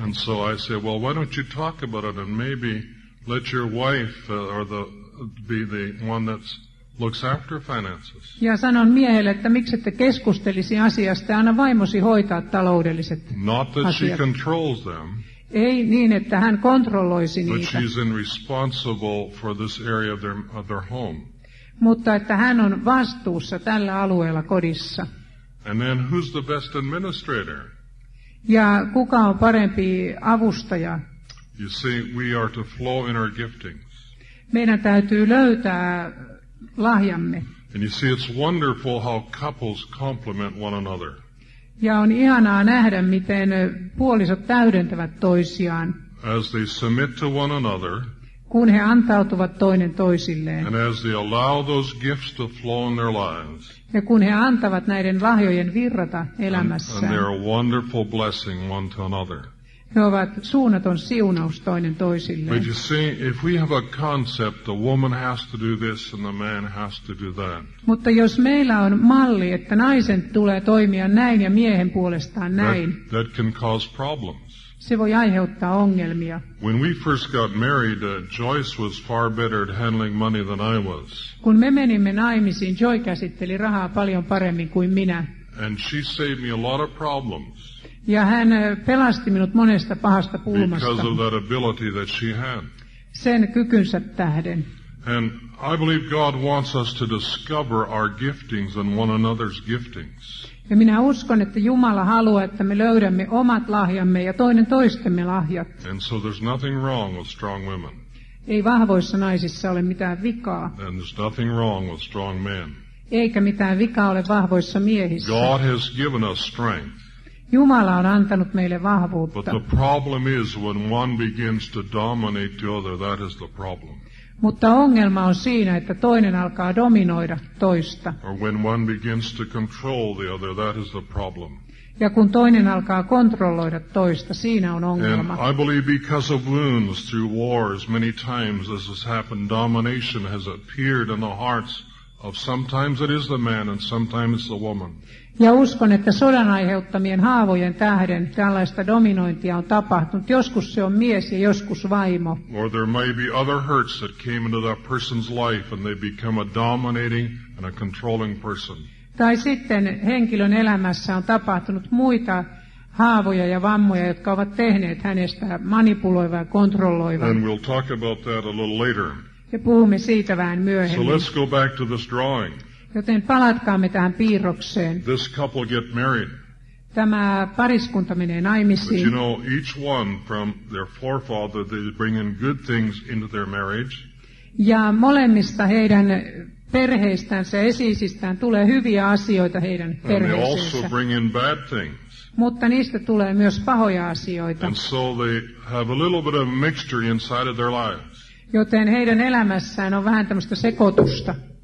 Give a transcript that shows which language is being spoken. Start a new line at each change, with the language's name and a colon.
English: And so I said, well, why don't you talk about it and maybe let your wife be the one that's looks after finances.
Finnish: Ja sanon miehelle, että miksi ette keskustelisi asiasta ja anna vaimosi hoitaa taloudelliset asiat.
English: Not that she controls them.
Finnish: Ei niin, että hän kontrolloisi
English: but
Finnish: niitä.
English: But she's in responsible for this area of their home.
Finnish: Mutta että hän on vastuussa tällä alueella kodissa.
English: And then who's the best administrator?
Finnish: Ja kuka on parempi avustaja?
English: You see, we are to flow in our giftings.
Finnish: Meidän täytyy löytää lahjamme.
English: And you see, it's wonderful how couples complement one another.
Finnish: Ja on ihanaa nähdä, miten puolisot täydentävät toisiaan.
English: As they submit to one another.
Finnish: Kun he antautuvat toinen toisilleen.
English: And as they allow those gifts to flow in their lives.
Finnish: Ja kun he antavat näiden lahjojen virrata elämässään.
English: And they're a wonderful blessing one to another.
Finnish: He ovat suunnaton siunaus toinen toisilleen.
English: But you see, if we have a concept, the woman has to do this and the man has to do that.
Finnish: Mutta jos meillä on malli, että naisen tulee toimia näin ja miehen puolestaan näin,
English: that can cause problems.
Finnish: Se voi aiheuttaa ongelmia.
English: When we first got married, Joyce was far better at handling money than I was.
Finnish: Kun me menimme naimisiin, Joy käsitteli rahaa paljon paremmin kuin minä.
English: And she saved me a lot of problems.
Finnish: Ja hän pelasti minut monesta pahasta pulmasta.
English: Because of that ability that she had.
Finnish: Sen kykynsä tähden.
English: And I believe God wants us to discover our giftings and one another's giftings.
Finnish: Ja minä uskon, että Jumala haluaa, että me löydämme omat lahjamme ja toinen toistemme lahjat.
English: And so there's nothing wrong with strong women.
Finnish: Ei vahvoissa naisissa ole mitään vikaa.
English: And there's nothing wrong with strong men.
Finnish: Eikä mitään vikaa ole vahvoissa miehissä.
English: God has given us strength.
Finnish: Jumala on antanut meille vahvuutta.
English: But the problem is when one begins to dominate the other, that is the problem.
Finnish: Mutta ongelma on siinä, että toinen alkaa dominoida toista.
English: Or when one begins to control the other, that is the problem.
Finnish: Ja kun toinen alkaa kontrolloida toista, siinä on ongelma.
English: And I believe because of wounds through wars, many times this has happened, domination has appeared in the hearts of sometimes it is the man and sometimes the woman.
Finnish: Ja uskon, että sodan aiheuttamien haavojen tähden tällaista dominointia on tapahtunut. Joskus se on mies ja joskus vaimo.
English: Or there may be other hurts that came into that person's life and they become a dominating and a controlling person.
Finnish: Tai sitten henkilön elämässä on tapahtunut muita haavoja ja vammoja, jotka ovat tehneet hänestä manipuloivaa ja kontrolloivaa.
English: And we'll talk about that a little later.
Finnish: Ja puhumme siitä vähän myöhemmin.
English: So let's go back to this drawing.
Finnish: Joten palatkaamme tähän piirrokseen.
English: This couple get married.
Finnish: Tämä pariskunta menee naimisiin.
English: But you know, each one from their forefather, they bring in good things into their marriage.
Finnish: Ja molemmista heidän perheistänsä, esi-isistään tulee hyviä asioita heidän perheeseensä.
English: And they also bring in bad things.
Finnish: Mutta niistä tulee myös pahoja asioita.
English: And so they have a little bit of mixture inside of their lives.
Finnish: Joten heidän elämässään on vähän tämmöistä sekoitusta.